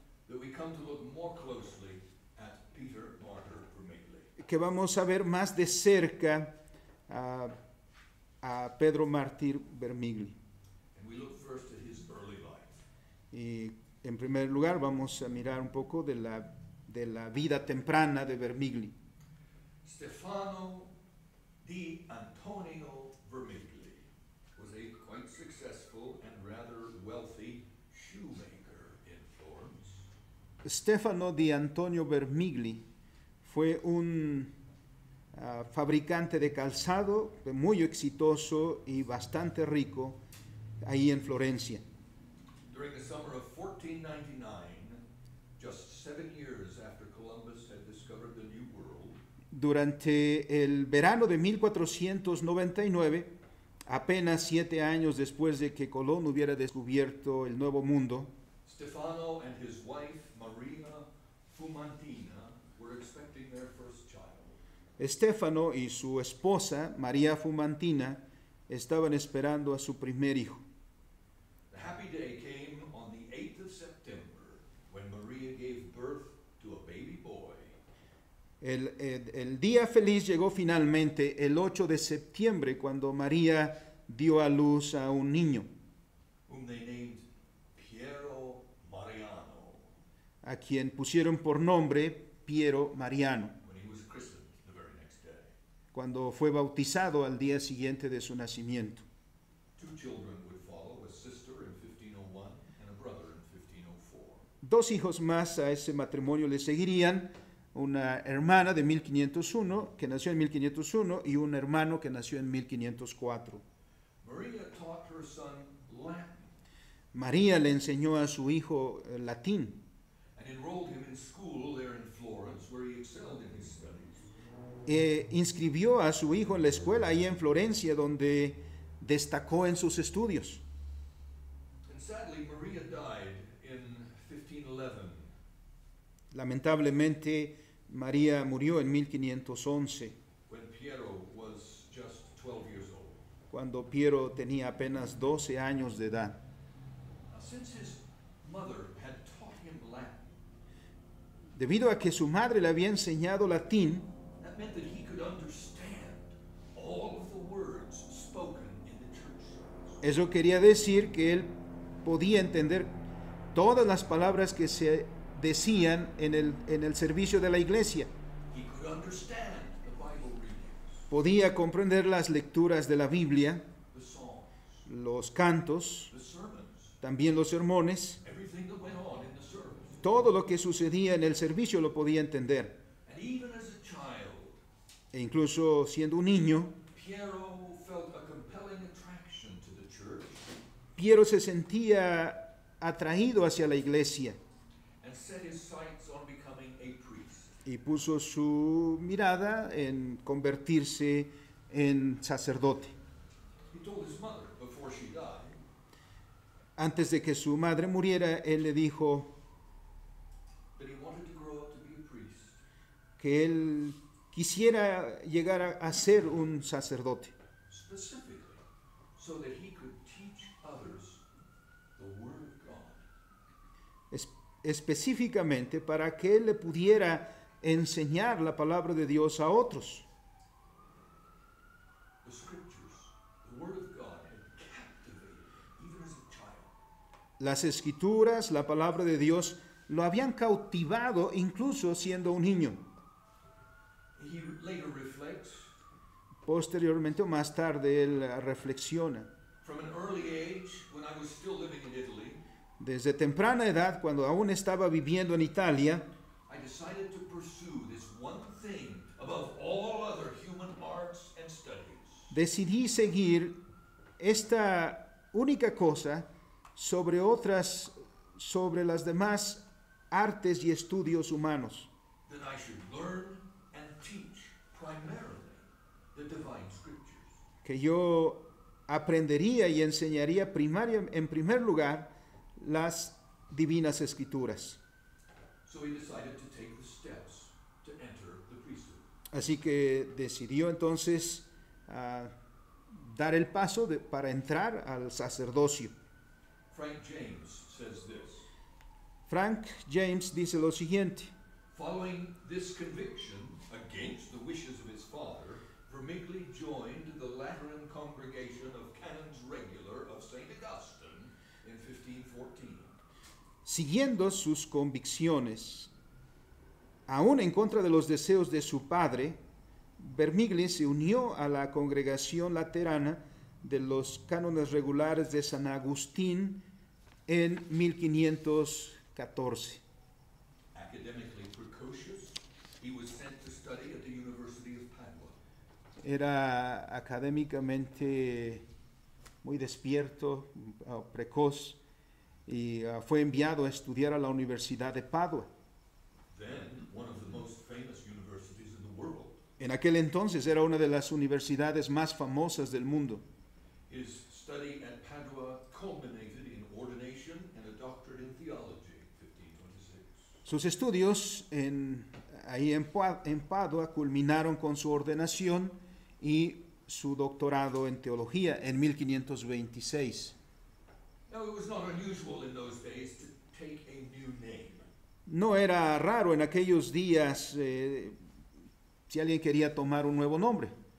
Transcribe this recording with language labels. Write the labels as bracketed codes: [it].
[en] That we come to look more closely at Peter Martyr. [es] que vamos a ver más de cerca a Pedro Mártir Vermigli. [en] And we look first at his early life. [es] Y en primer lugar vamos a mirar un poco de la vida temprana de Vermigli. [en] Stefano Di Antonio Vermigli was a quite successful and rather wealthy shoemaker in Florence. [es] Stefano Di Antonio Vermigli fue un fabricante de calzado muy exitoso y bastante rico ahí en Florencia. [en] During the summer of 1499, just 7 years after Columbus had discovered the New World, [es] durante el verano de 1499, apenas 7 años después de que Colón hubiera descubierto el Nuevo Mundo, [en] Stefano and his wife Maria Fumantina were expecting their first child. [es] Stefano y su esposa Maria Fumantina estaban esperando a su primer hijo. [en] The happy day came on the 8th of September when Maria gave birth to a baby boy. [es] El día feliz llegó finalmente el 8 de septiembre cuando María dio a luz a un niño, [en] whom they named Piero Mariano, [es] a quien pusieron por nombre Piero Mariano, [en] when he was christened the very next day. [es] Cuando fue bautizado al día siguiente de su nacimiento. [en] Two children would follow, a sister in 1501 and a brother in 1504. [es] Dos hijos más a ese matrimonio le seguirían, una hermana de 1501, que nació en 1501, y un hermano que nació en 1504. [en] Maria taught her son Latin. [es] María le enseñó a su hijo latín. [en] And enrolled him in school there in Florence, where he excelled in his studies. [es] Inscribió a su hijo en la escuela ahí en Florencia, donde destacó en sus estudios. [en] And sadly, Maria died in 1511. [es] Lamentablemente, María murió en 1511, [en] when Piero was just 12 years old. [es] Cuando Piero tenía apenas 12 años de edad. [en] Since his mother had taught him Latin, [es] debido a que su madre le había enseñado latín, [en] that meant that he could understand all of the words spoken in the church service. [es] Eso quería decir que él podía entender todas las palabras que se decían en el servicio de la iglesia. [en] He could understand the Bible readings. [es] Podía comprender las lecturas de la Biblia, [en] the songs, [es] los cantos, [en] the sermons, [es] también los sermones, [en] everything that went on in the service. [es] Todo lo que sucedía en el servicio lo podía entender. [en] And even as a child, [es] e incluso siendo un niño, [en] Piero felt a compelling attraction to the church. [es] Piero se sentía atraído hacia la iglesia. [en] Set his sights on becoming a priest. [es] Y puso su mirada en convertirse en sacerdote. [en] He told his mother before she died. [es] Antes de que su madre muriera, él le dijo [en] that he wanted to grow up to be a priest. [es] Que él quisiera llegar a ser un sacerdote. [en] Specifically, so that he could teach others the word of God. [es] Específicamente para que él le pudiera enseñar la palabra de Dios a otros. [en] The scriptures, the word of God, had captivated even as a child. [es] Las escrituras, la palabra de Dios, lo habían cautivado incluso siendo un niño. [en] He later reflects, [es] posteriormente o más tarde él reflexiona. [en] From an early age, when I was still living in Italy, [es] desde temprana edad, cuando aún estaba viviendo en Italia, [en] I decided to pursue this one thing above all other human arts and studies. [es] Decidí seguir esta única cosa sobre otras, sobre las demás artes y estudios humanos. [en] That I should learn and teach primarily the divine scriptures. [es] Que yo aprendería y enseñaría en primer lugar las divinas escrituras. [en] So he decided to take the steps to enter the priesthood. [es] Así que decidió entonces dar el paso para entrar al sacerdocio. [en] Frank James says this. [es] Frank James dice lo siguiente. [en] Following this conviction, a against the wishes of his father, Vermigli joined the Lateran congregation of canons regular of St. Augustine in 1514. [es] Siguiendo sus convicciones, aún en contra de los deseos de su padre, Vermigli se unió a la congregación laterana de los cánones regulares de San Agustín en 1514. [en] Academically precocious, he was sent to study at the University of Padua. [es] Era académicamente muy despierto, precoz, y fue enviado a estudiar a la Universidad de Padua. [en] Then, one of the most famous universities in the world. [es] En aquel entonces era una de las universidades más famosas del mundo. [en] His study at Padua culminated in ordination and a doctorate in theology, 1526. [es] Sus estudios en Padua culminaron con su ordenación y su doctorado en teología en 1526. [en] Now, it was not unusual in those days to take a new name. [es] No era raro en aquellos días si alguien quería tomar un nuevo nombre.